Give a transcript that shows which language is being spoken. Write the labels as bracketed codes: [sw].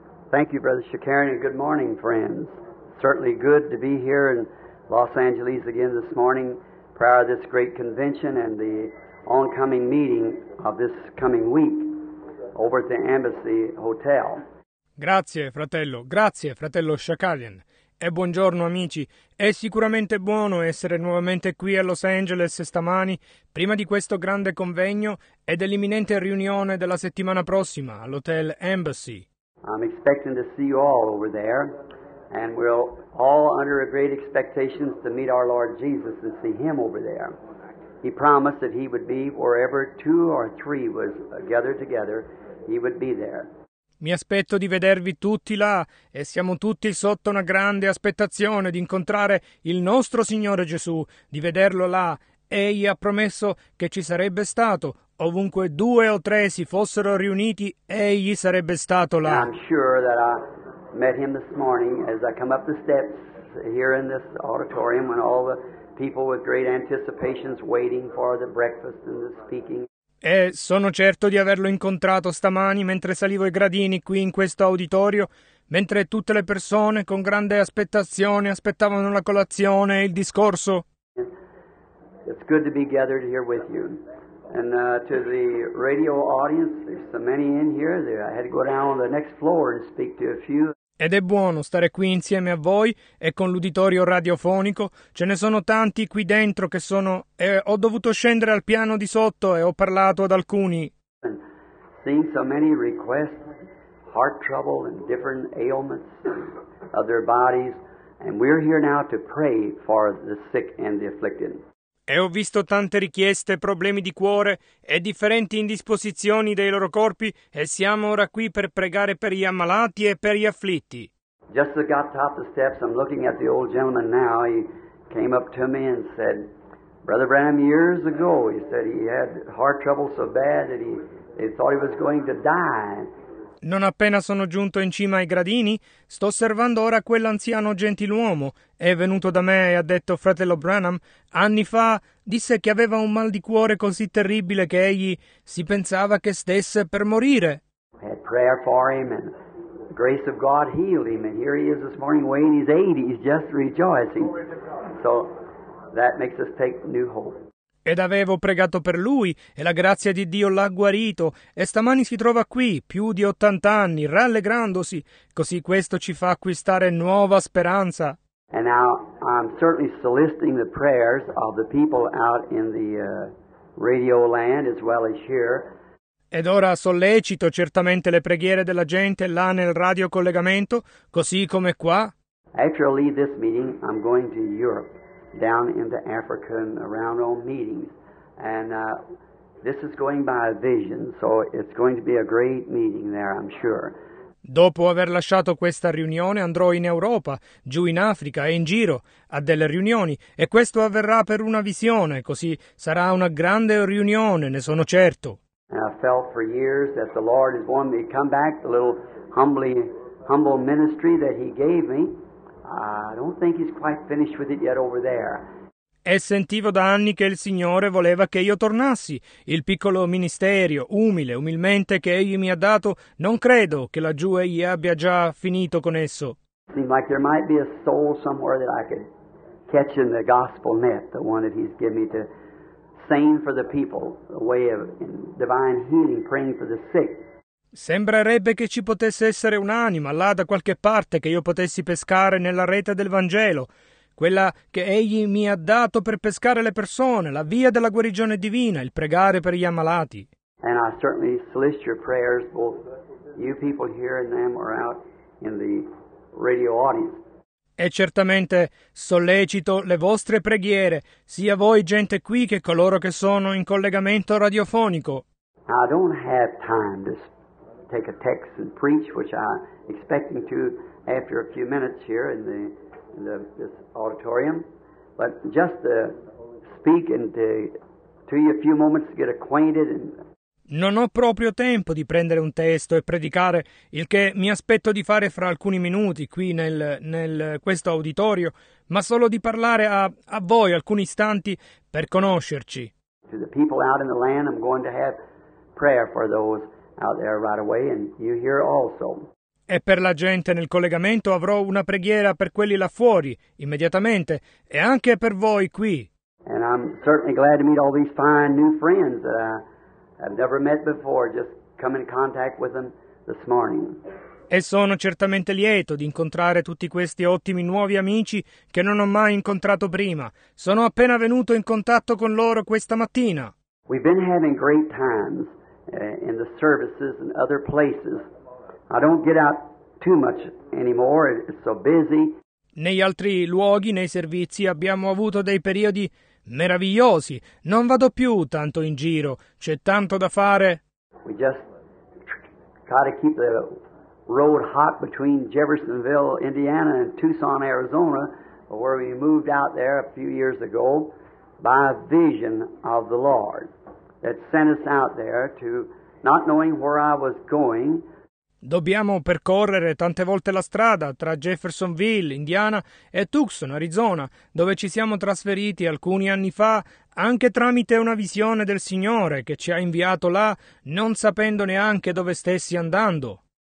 [en] Thank you, Brother Shakarian, and good morning, friends. Certainly good to be here in Los Angeles again this morning prior to this great convention and the oncoming meeting of this coming week over at the Embassy Hotel. [it] Grazie fratello Shakarian. E buongiorno amici, è sicuramente buono essere nuovamente qui a Los Angeles stamani, prima di questo grande convegno e dell'imminente riunione della settimana prossima all'Hotel Embassy. [en] I'm expecting to see you all over there, and we're all under a great expectation to meet our Lord Jesus and see Him over there. He promised that He would be wherever two or three was gathered together, He would be there. [it] Mi aspetto di vedervi tutti là, e siamo tutti sotto una grande aspettazione di incontrare il nostro Signore Gesù, di vederlo là. Egli ha promesso che ci sarebbe stato. Ovunque due o tre si fossero riuniti, Egli sarebbe stato là. [en] I'm sure that I met Him this morning as I come up the steps here in this auditorium when all the people with great anticipations waiting for the breakfast and the speaking. [it] E sono certo di averlo incontrato stamani mentre salivo i gradini qui in questo auditorio, mentre tutte le persone con grande aspettazione aspettavano la colazione e il discorso. [en] It's good to be gathered here with you. And to the radio audience, there's so many in here there. I had to go down on the next floor and speak to a few. [it] Ed è buono stare qui insieme a voi e con l'uditorio radiofonico. Ce ne sono tanti qui dentro che sono... ho dovuto scendere al piano di sotto e ho parlato ad alcuni. [en] And seeing so many requests, heart trouble and different ailments of their bodies. And we're here now to pray for the sick and the afflicted. [it] E ho visto tante richieste, problemi di cuore e differenti indisposizioni dei loro corpi e siamo ora qui per pregare per gli ammalati e per gli afflitti. [en] Just as I got top the steps, I'm looking at the old gentleman now. He came up to me and said, Brother Branham, years ago, he said he had heart trouble so bad that he thought he was going to die. [it] Non appena sono giunto in cima ai gradini, sto osservando ora quell'anziano gentiluomo. È venuto da me e ha detto, fratello Branham, anni fa disse che aveva un mal di cuore così terribile che egli si pensava che stesse per morire. [en] Had prayer for him and the grace of God healed him and here he is this morning weighing his 80, he's just rejoicing. So that makes us take new hope. [it] Ed avevo pregato per lui e la grazia di Dio l'ha guarito e stamani si trova qui, più di 80 anni, rallegrandosi. Così questo ci fa acquistare nuova speranza. [en] And now I'm certainly soliciting the prayers of the people out in the radio land as well as here. [it] Ed ora sollecito certamente le preghiere della gente là nel radio collegamento, così come qua. [en] Actually, this meeting I'm going to Europe. Down into Africa and around on meetings. And this is going by a vision, so it's going to be a great meeting there, I'm sure. [it] Dopo aver lasciato questa riunione, andrò in Europa, giù in Africa e in giro, a delle riunioni. E questo avverrà per una visione, così sarà una grande riunione, ne sono certo. [en] And I felt for years that the Lord has wanted me to come back, the little humble ministry that He gave me. I don't think he's quite finished with it yet over there. [it] E sentivo da anni che il Signore voleva che io tornassi. Il piccolo ministero, umilmente, che egli mi ha dato, non credo che laggiù egli abbia già finito con esso. [en] Seems like there might be a soul somewhere that I could catch in the gospel net, the one that he's given me to sing for the people, a way of in divine healing, praying for the sick. [it] Sembrerebbe che ci potesse essere un'anima là da qualche parte che io potessi pescare nella rete del Vangelo. quella che egli mi ha dato per pescare le persone, la via della guarigione divina, il pregare per gli ammalati. [en] And I certainly solicit your prayers, both you people here and them are out in the radio audience. [it] E certamente sollecito le vostre preghiere, sia voi gente qui che coloro che sono in collegamento radiofonico. [en] I don't have time to take a text and preach, which I'm expecting to after a few minutes here in this auditorium, but just to speak and to you a few moments to get acquainted and. [it] Non ho proprio tempo di prendere un testo e predicare, il che mi aspetto di fare fra alcuni minuti qui nel questo auditorio, ma solo di parlare a voi alcuni istanti per conoscerci. [en] To the people out in the land, I'm going to have prayer for those out there right away, and you here also. [it] E per la gente nel collegamento avrò una preghiera per quelli là fuori, immediatamente, e anche per voi qui. [en] And I'm certainly glad to meet all these fine new friends that I've never met before, just come in contact with them this morning. [it] E sono certamente lieto di incontrare tutti questi ottimi nuovi amici che non ho mai incontrato prima. Sono appena venuto in contatto con loro questa mattina. [en] We've been having great times in the services and other places. I don't get out too much anymore, it's so busy. [it] Negli altri luoghi, nei servizi, abbiamo avuto dei periodi meravigliosi, non vado più tanto in giro, c'è tanto da fare. [en] We just try to keep the road hot between Jeffersonville, Indiana and Tucson, Arizona, where we moved out there a few years ago by a vision of the Lord that sent us out there to not knowing where I was going. [it] Dobbiamo percorrere tante volte la strada tra Jeffersonville, Indiana, e Tucson, Arizona, dove ci siamo trasferiti alcuni anni fa, anche tramite una visione del Signore che ci ha inviato là, non sapendo neanche dove stessi andando.